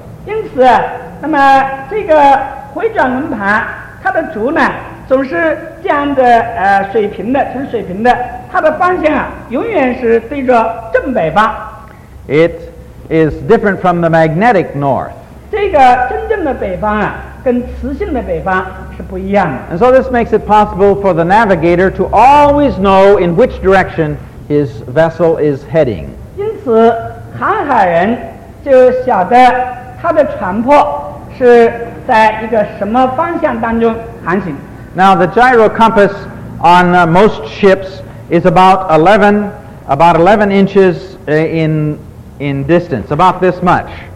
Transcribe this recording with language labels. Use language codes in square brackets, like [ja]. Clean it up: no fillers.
[zh] 因此，那么这个回转轮盘它的轴呢，总是这样的水平的，成水平的，它的方向啊，永远是对着正北方。 [en] It is different from the magnetic north. [zh] 这个真正的北方啊，跟磁性的北方。 [en] And so this makes it possible for the navigator to always know in which direction his vessel is heading. [zh] 因此，航海人就晓得他的船舶是在一个什么方向当中航行。 [en] Now the gyro compass on most ships is about 11 inches in distance, about this much.